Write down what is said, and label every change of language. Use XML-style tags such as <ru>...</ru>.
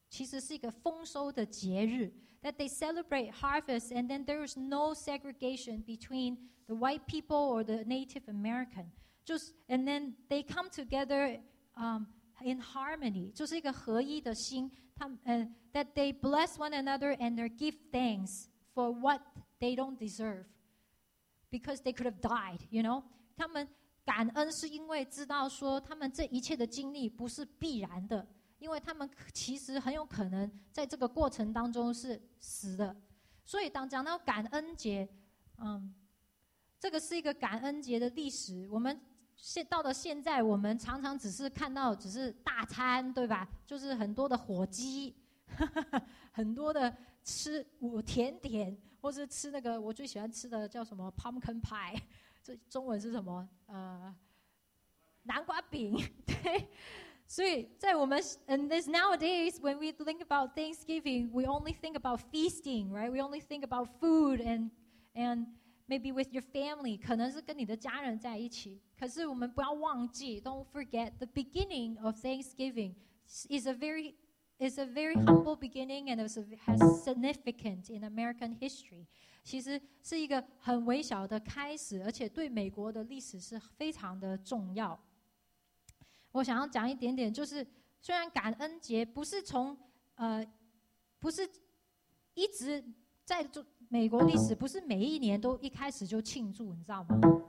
<zh>其实是一个丰收的节日,</zh> <en>that they celebrate harvest, and then there is no segregation between the white people or the Native American. Just, and then they come together in harmony,</en> <zh>就是一个合一的心,</zh> <en>that they bless one another and they give thanks for what they don't deserve. Because they could have died, you know?</en> <zh>他们感恩是因为知道说他们这一切的经历不是必然的，因为他们其实很有可能在这个过程当中是死的。所以当讲到感恩节，这个是一个感恩节的历史。我们到了现在，我们常常只是看到只是大餐，对吧？就是很多的火鸡，很多的吃甜点，或是吃那个我最喜欢吃的叫什么 pumpkin pie。中文是什么？南瓜饼，对。所以在我们</zh> <en>，and this nowadays when we think about Thanksgiving, we only think about feasting, right? We only think about food and maybe with your family,</en> <zh>可能是跟你的家人在一起。可是我们不要忘记</zh> <en>，don't forget the beginning of Thanksgiving is a very humble beginning and has significant in American history.</en> <zh>其实是一个很微小的开始，而且对美国的历史是非常的重要。我想要讲一点点，就是虽然感恩节不是从不是一直在美国历史，不是每一年都一开始就庆祝，你知道吗？</zh>